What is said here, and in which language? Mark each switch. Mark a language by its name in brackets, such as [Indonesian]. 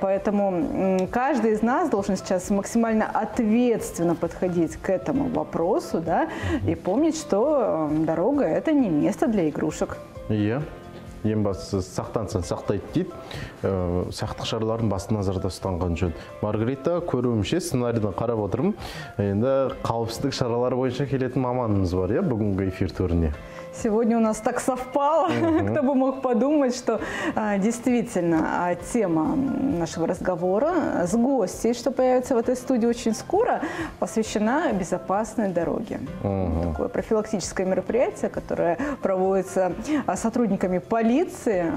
[Russian] Поэтому каждый из нас должен сейчас максимально ответственно подходить к этому вопросу, да, и помнить, что дорога – это не место для игрушек. [Kazakh] Ең басы сақтансын сақтайды дейді, сақтық шараларын басты назарда ұстанған жөн. Маргарита, көруімше сценарийді қарап отырым, енді қауіпсіздік шаралары бойынша келетін маманымыз бар, бүгінгі эфир төріне. [Russian] Сегодня у нас так совпало, кто бы мог подумать, что действительно тема нашего разговора с гостей, что появится в этой студии очень скоро, посвящена безопасной дороге. Такое профилактическое мероприятие, которое проводится сотрудниками полиции.